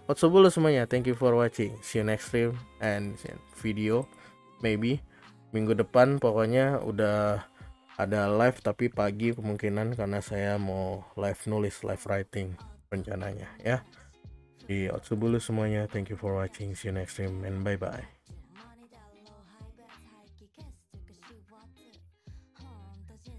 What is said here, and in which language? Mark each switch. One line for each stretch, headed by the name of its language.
English: What's up semuanya, thank you for watching, see you next stream and video maybe
Indonesian: minggu depan. Pokoknya udah ada live tapi pagi kemungkinan karena saya mau live nulis,
English: live writing
Indonesian: rencananya ya.
English: Di What's up semuanya, thank you for watching, see you next stream and bye bye.